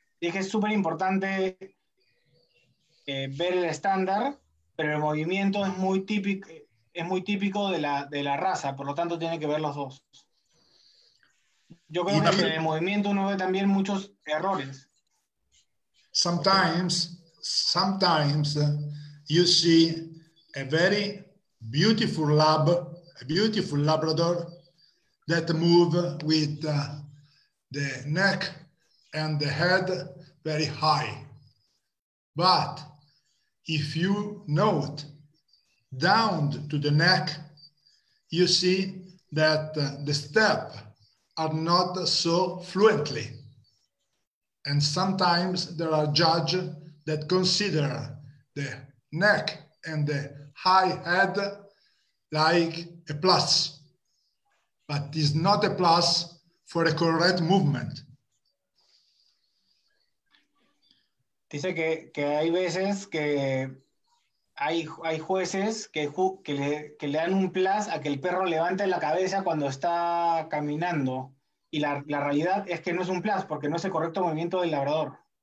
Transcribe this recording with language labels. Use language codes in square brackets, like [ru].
[es] Dice que es súper importante ver el estándar, pero el movimiento es muy típico de la raza, por lo tanto tiene que ver los dos. Yo creo que en el movimiento uno ve también muchos errores. [en] Sometimes you see a very beautiful lab, a beautiful Labrador that move with the neck and the head very high. But if you note down to the neck, you see that the step are not so fluently. And sometimes there are judges that consider the neck and the high head like a plus, but it's not a plus for a correct movement. [es] Dice que hay veces que hay jueces que le dan un plus a que el perro levante la cabeza cuando está caminando. Y la realidad es que no es un plus, porque no es el correcto movimiento del labrador.